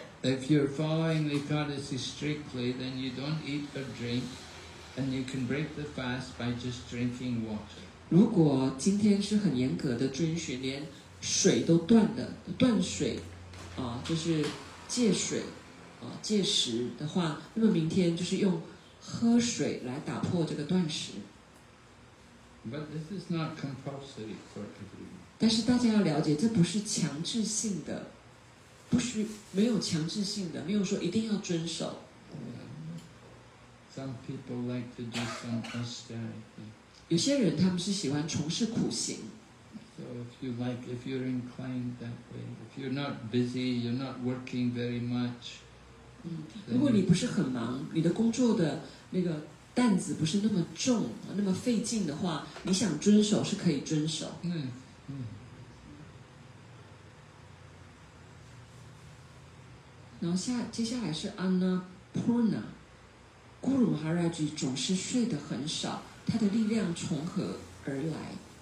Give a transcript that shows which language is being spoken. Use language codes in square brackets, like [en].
[en] If you're following Ekadasi strictly, then you don't eat or drink, and you can break the fast by just drinking water. [zh] 如果今天是很严格的遵循，连水都断了，断水，就是。戒水，戒食的话，那么明天就是用喝水来打破这个断食。 [en] But this is not compulsory for everyone. [zh] 但是大家要了解，这不是强制性的，不需没有强制性的，没有说一定要遵守。 [en] Yeah. Some people like to do some austerity. [zh] 有些人他们是喜欢从事苦行。 [en] So if you like, if you're inclined that way, if you're not busy, you're not working very much, [zh] 如果你不是很忙，你的工作的那个担子不是那么重那么费劲的话，你想遵守是可以遵守。嗯嗯。然后接下来是安娜普纳，古鲁哈拉吉总是睡得很少，他的力量从何而来？